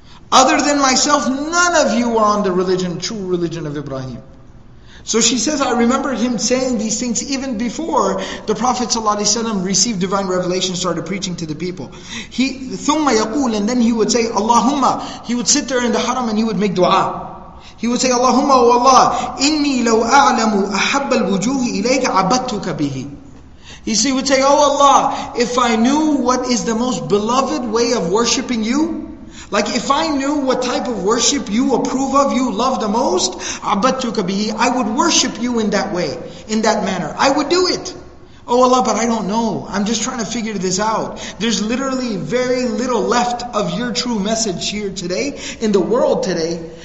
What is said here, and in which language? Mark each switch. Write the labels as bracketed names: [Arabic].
[English] Other than myself, none of you are on the religion, true religion of Ibrahim. So she says, I remember him saying these things even before the Prophet ﷺ received divine revelation, started preaching to the people. He [Arabic] ثُمَّ يَقُولُ, [English] and then he would say, Allahumma. He would sit there in the haram and he would make dua. He would say, Allahumma wa Allah, [Arabic] إِنِّي لَوْ أَعْلَمُ أَحَبَّ الْوُجُوهِ إِلَيْكَ عَبَدْتُكَ بِهِ. [English] He would say, oh Allah, if I knew what is the most beloved way of worshipping you, like if I knew what type of worship you approve of, you love the most, [Arabic] عَبَدْتُكَ بِهِ, [English] I would worship you in that way, in that manner. I would do it. Oh Allah, but I don't know. I'm just trying to figure this out. There's literally very little left of your true message here today, in the world today.